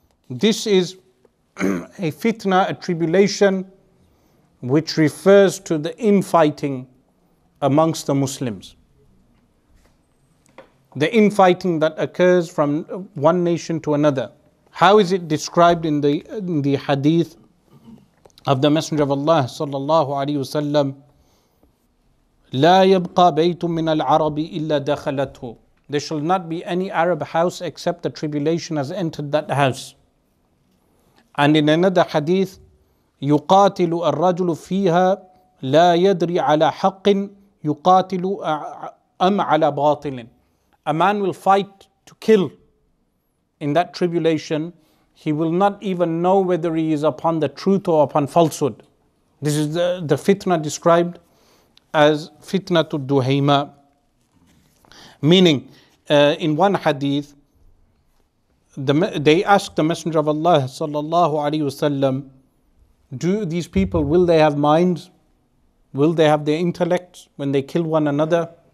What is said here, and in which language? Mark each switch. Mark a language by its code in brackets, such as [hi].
[en] This is a fitna, a tribulation, which refers to the infighting amongst the Muslims. The infighting that occurs from one nation to another. How is it described in the hadith of the Messenger of Allah sallallahu alayhi wa sallam? [ar] لا يبقى بيت من العرب إلا دخلته. [en] There shall not be any Arab house except the tribulation has entered that house. And in another hadith, [ar] يقاتل الرجل فيها لا يدري على حق يقاتل أم على باطل. [en] A man will fight to kill in that tribulation. He will not even know whether he is upon the truth or upon falsehood. This is the fitna described as fitnatu duhaima, meaning in one hadith they asked the Messenger of Allah sallallahu alayhi wasallam, do these people, will they have minds, will they have their intellect when they kill one another?